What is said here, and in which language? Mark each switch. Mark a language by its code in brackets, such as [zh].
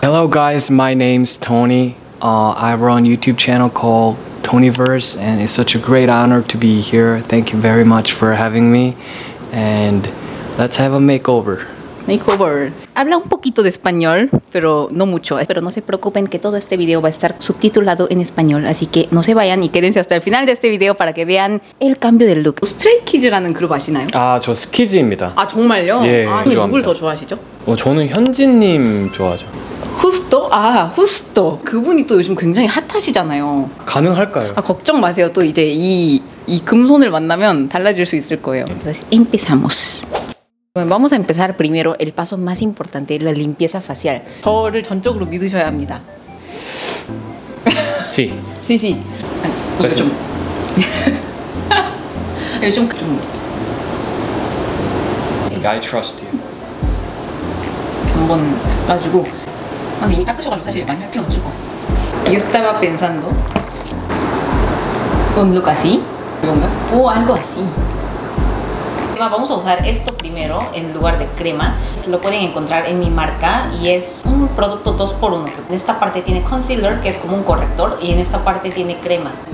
[en] Hello guys, my name's Tony. I run a YouTube channel called Tonyverse, and it's such a great honor to be here. Thank you very much for having me. And let's have a makeover. Makeover. [es] Habla un poquito de español, pero no mucho. Pero no se preocupen que todo este video va a estar subtitulado en español. Así que no se vayan y quédense hasta el final de este video para que vean el cambio del look. [ko] Stray Kids라는 그룹 아시나요? 아, 저 스키즈입니다. 아, 정말요? 예, 아, 좋아합니다. 누굴 더 좋아하시죠? 저는 현진님 좋아하죠. 후스토? 아, 후스토. 그분이 또 요즘 굉장히 핫하시잖아요. 가능할까요? 아, 걱정 마세요. 또 이제 이 금손을 만나면 달라질 수 있을 거예요. [es] Entonces, empezamos. Bueno, vamos a empezar primero el paso más importante, la limpieza facial. [ko] 저를 전적으로 믿으셔야 합니다. [es] Sí. Sí, sí. [ko] 이거 좀. 요즘 좀. [en] I trust you. [ko] 한번 가지고 아니, 닦으셔가지고 사실 많이 할 필요 없죠. [es] Yo estaba pensando un look así. O algo así. Vamos a usar esto primero en lugar de crema. Se lo pueden encontrar en mi marca y es un producto 2x1. En esta parte tiene concealer, que es como un corrector, y en esta parte tiene crema.